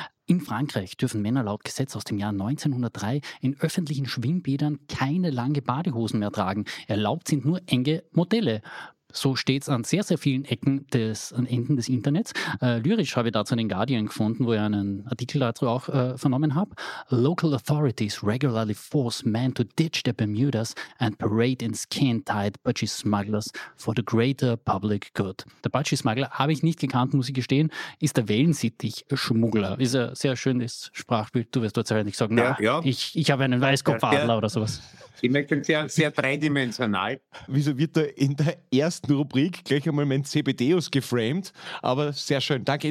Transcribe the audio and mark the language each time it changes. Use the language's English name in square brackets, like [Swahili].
[German] In Frankreich dürfen Männer laut Gesetz aus dem Jahr 1903 in öffentlichen Schwimmbädern keine langen Badehosen mehr tragen. Erlaubt sind nur enge Modelle. So steht es an sehr, sehr vielen Ecken und Enden des Internets. Lyrisch habe ich dazu den Guardian gefunden, wo ich einen Artikel dazu auch vernommen habe. [English] Local authorities regularly force men to ditch their Bermudas and parade in skin-tight budgie smugglers for the greater public good. [German] Der budgie smuggler habe ich nicht gekannt, muss ich gestehen, ist der Wellensittich-Schmuggler. Ist ein sehr schönes Sprachbild. Du wirst dort sicherlich nicht sagen, ja, ich habe einen Weißkopfadler oder sowas. Ich merke den sehr, sehr dreidimensional. Wieso wird da in der ersten Rubrik gleich einmal mein CBDus geframed? Aber sehr schön. Danke.